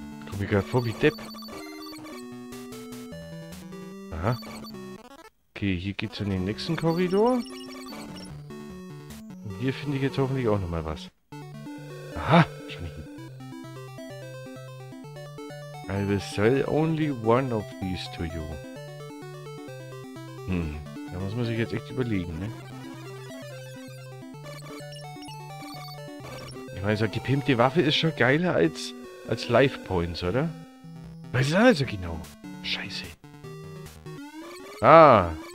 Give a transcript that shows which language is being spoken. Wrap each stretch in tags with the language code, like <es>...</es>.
<de>Komm mir gerade vor, wie Depp. Aha. Okay, hier geht's in den nächsten Korridor. Und hier finde ich jetzt hoffentlich auch nochmal was. Aha! Schon hier.</de> <en>I will sell only one of these to you.</en> <de>Da muss man sich jetzt echt überlegen, ne? Ich meine, so eine gepimpte Waffe ist schon geiler als Life Points, oder? Was ist also genau? Scheiße. Ah!</de>